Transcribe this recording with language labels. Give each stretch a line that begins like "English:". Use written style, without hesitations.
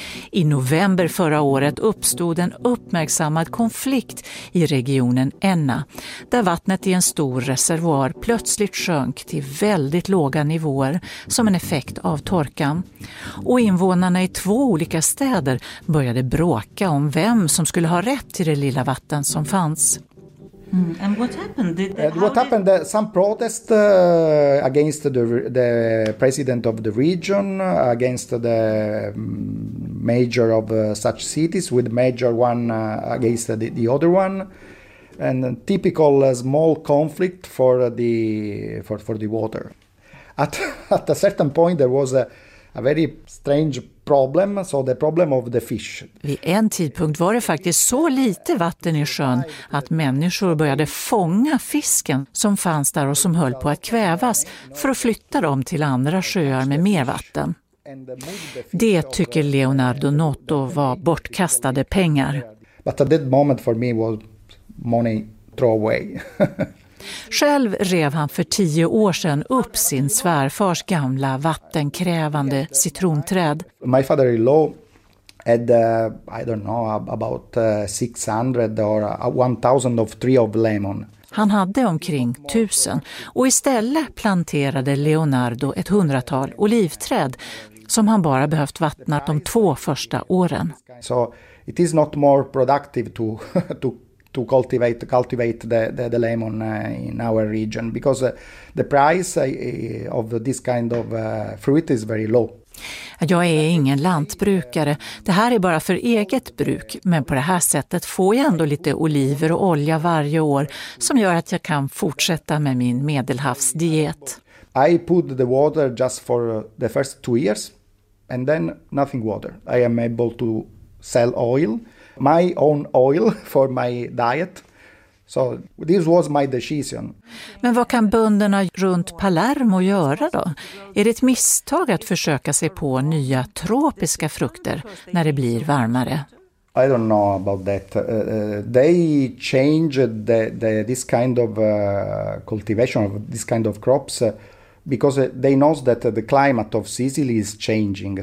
Swedish: I november förra året uppstod en uppmärksammad konflikt i regionen Enna, där vattnet i en stor reservoar plötsligt sjönk till väldigt låga nivåer som en effekt av torkan. Och invånarna i 2 olika städer började bråka om vem som skulle ha rätt till det lilla vatten som fanns.
English: And what happened? Some protest against the president of the region, against the major of such cities, with major one against the other one. And typical small conflict for the water. At a certain point there was a very strange problem, so the problem of the fish.
Swedish: Vid en tidpunkt var det faktiskt så lite vatten i sjön att människor började fånga fisken som fanns där och som höll på att kvävas för att flytta dem till andra sjöar med mer vatten. Det tycker Leonardo Notto var bortkastade pengar.
English: But at that moment for me was money throw away.
Swedish: Själv rev han för 10 år sedan upp sin svärfars gamla vattenkrävande citronträd.
English: My father-in-law had I don't know about 600 or 1000 of tree of lemon.
Swedish: Han hade omkring 1000 och istället planterade Leonardo ett 100-tal olivträd som han bara behövt vattna de 2 första åren.
English: So it is not more productive to cultivate the lemon in our region because the price of this kind of fruit is very low.
Swedish: Jag är ingen lantbrukare. Det här är bara för eget bruk, men på det här sättet får jag ändå lite oliver och olja varje år som gör att jag kan fortsätta med min medelhavsdiet.
English: I put the water just for the first 2 years and then nothing water. I am able to sell oil. My own oil for my diet. So this was my decision.
Swedish: Men vad kan bönderna runt Palermo göra då? Är det ett misstag att försöka sig på nya tropiska frukter när det blir varmare?
English: I don't know about that. They changed this kind of cultivation of this kind of crops because they know that the climate of Sicily is changing.